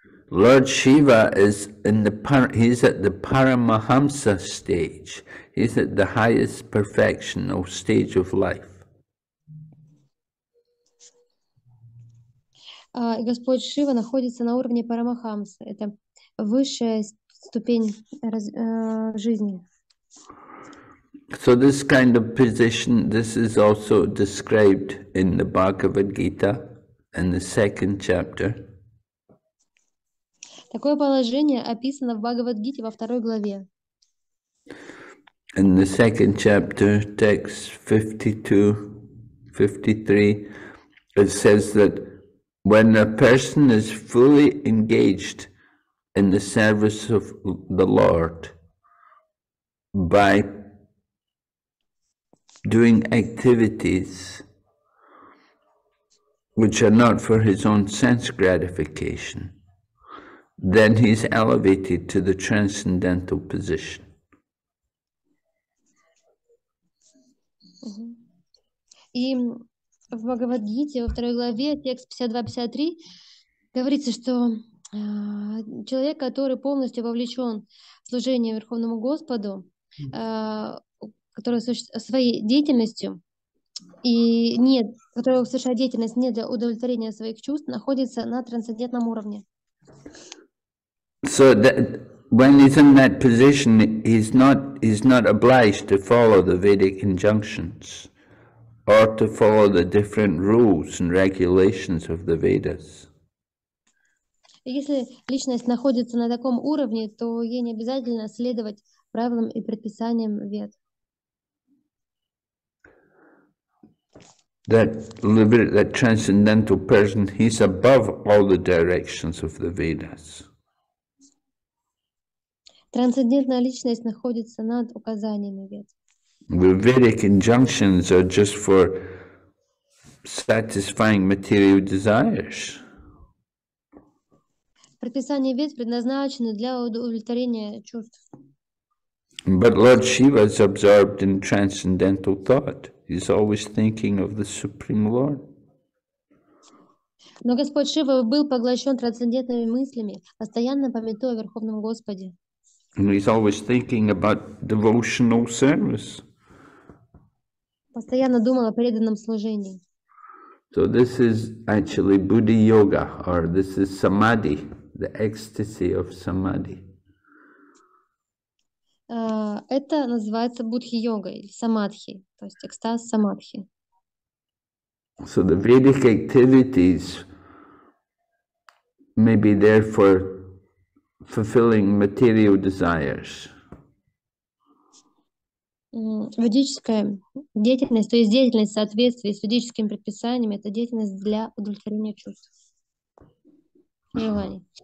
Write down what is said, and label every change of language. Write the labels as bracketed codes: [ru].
[en] Lord Shiva is in the he's at the Paramahamsa stage. He's at the highest perfectional stage of life. [ru] Господь Шива находится на уровне Парамахамса. Это высшая ступень жизни. [en] So this kind of position, this is also described in the Bhagavad Gita in the second chapter. [ru] Такое положение описано в Бхагавад Гите во второй главе. [en] In the second chapter, text 52-53, it says that when a person is fully engaged in the service of the Lord by doing activities which are not for his own sense gratification, then he is elevated to the transcendental position. [ru] И в Бхагавад-гите, во второй главе, текст 52-53, говорится, что человек, который полностью вовлечен в служение Верховному Господу, который своей деятельностью и нет, который совершает деятельность не для удовлетворения своих чувств, находится на трансцендентном уровне. [en] So that when he's in that position, he's not obliged to follow the Vedic injunctions or to follow the different rules and regulations of the Vedas. [ru] Если личность находится на таком уровне, то ей не обязательно следовать правилам и предписаниям Вед. [en] That transcendental person, he's above all the directions of the Vedas. [ru] Трансцендентная личность находится над указаниями Вед. [en] The Vedic injunctions are just for satisfying material desires. [ru] Предписание Вед предназначено для удовлетворения чувств. [en] But Lord Shiva is absorbed in transcendental thought. He's always thinking of the Supreme Lord. [ru] Но Господь Шива был поглощен трансцендентными мыслями, постоянно памятуя о Верховном Господе. [en] And he's always thinking about devotional service. [ru] Постоянно думал о преданном служении. [en] So this is actually Buddha Yoga, or this is Samadhi. The ecstasy of samadhi. [ru] Это называется будхи-йога или самадхи, то есть экстаз самадхи. [en] So the Vedic activities may be there for fulfilling material desires. [ru] Ведическая деятельность, то есть деятельность в соответствии с ведическими предписаниями, это деятельность для удовлетворения чувств, желаний.